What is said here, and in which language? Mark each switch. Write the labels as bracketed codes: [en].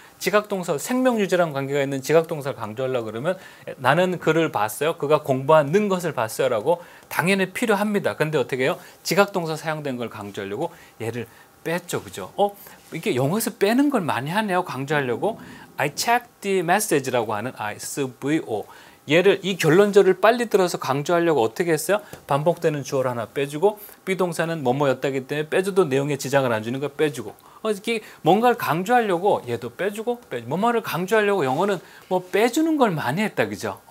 [ko] 지각동사, 생명유지랑 관계가 있는 지각동사를 강조하려고 그러면 나는 그를 봤어요. 그가 공부하는 것을 봤어요. 라고 당연히 필요합니다. 근데 어떻게 해요? 지각동사 사용된 걸 강조하려고 얘를 뺐죠. 그죠? 이게 영어에서 빼는 걸 많이 하네요. 강조하려고. [en] I checked the message [ko] 라고 하는 [en] SVO. [ko] 얘를, 이 결론절을 빨리 들어서 강조하려고 어떻게 했어요? 반복되는 주어를 하나 빼주고, B동사는 뭐뭐였다기 때문에 빼줘도 내용에 지장을 안 주는 거 빼주고, 이렇게 뭔가를 강조하려고 얘도 빼주고, 뭐뭐를 강조하려고 영어는 뭐 빼주는 걸 많이 했다, 그죠?